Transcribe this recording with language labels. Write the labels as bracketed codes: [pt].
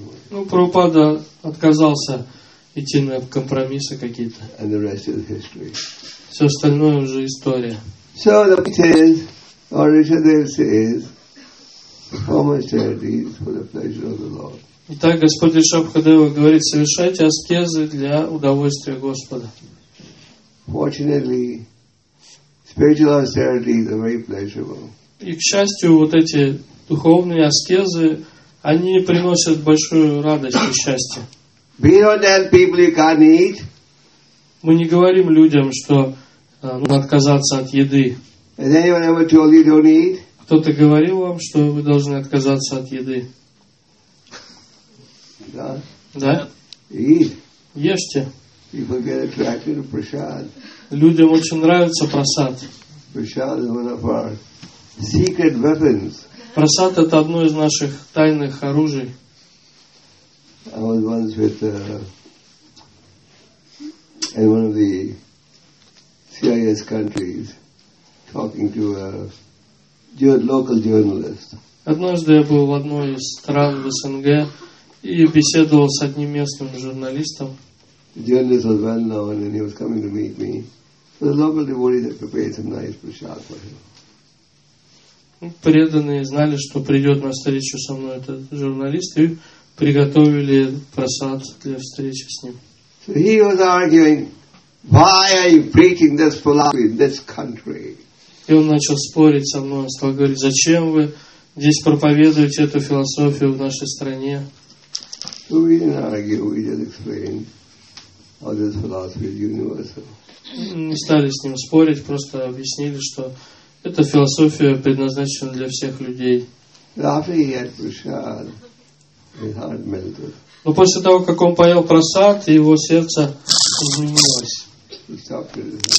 [ru] Ну, Прабхупада отказался идти на компромиссы какие-то. [en] And the rest is history. [ru] Все остальное уже история. [en] So the point is, or Rishadev says, perform austerities for the pleasure of the Lord. [ru] Итак, Господь Ришабхадева говорит: совершайте аскезы для удовольствия Господа. [en] Fortunately, spiritual austerities are very pleasurable. [ru] И к счастью, вот эти духовные аскезы, они приносят большую радость и счастье. [en] We don't tell people you can't eat. [ru] Мы не говорим людям, что нужно отказаться от еды. [en] Has anyone ever told you don't eat? [ru] Кто-то говорил вам, что вы должны отказаться от еды? Да. Да? [en] Eat. [ru] Ешьте. [en] People get attracted to prasad. [ru] Людям очень нравится прасад. [en] Prasad is one of our secret weapons. [ru] Прасад — это одно из наших тайных оружий. [en] I was once with in one of the CIS countries talking to a local journalist. [ru] Однажды я был в одной из стран в СНГ и беседовал с одним местным журналистом. [en] The journalist was well known and he was coming to meet me. So the local devotees had prepared some nice prasad for him. [ru] Преданные знали, что придет на встречу со мной этот журналист, и приготовили прасад для встречи с ним. [en] So he was arguing, why are you preaching this philosophy in this country? [ru] И он начал спорить со мной, стал говорить: зачем вы здесь проповедуете эту философию в нашей стране? [en] So we didn't argue, we just explained how this philosophy is universal. [ru] Не стали с ним спорить, просто объяснили, что эта философия предназначена для всех людей. [en] After he had prasad, his heart melted. [ru] Но после того, как он поел прасад, его сердце изменилось. [en] He stopped his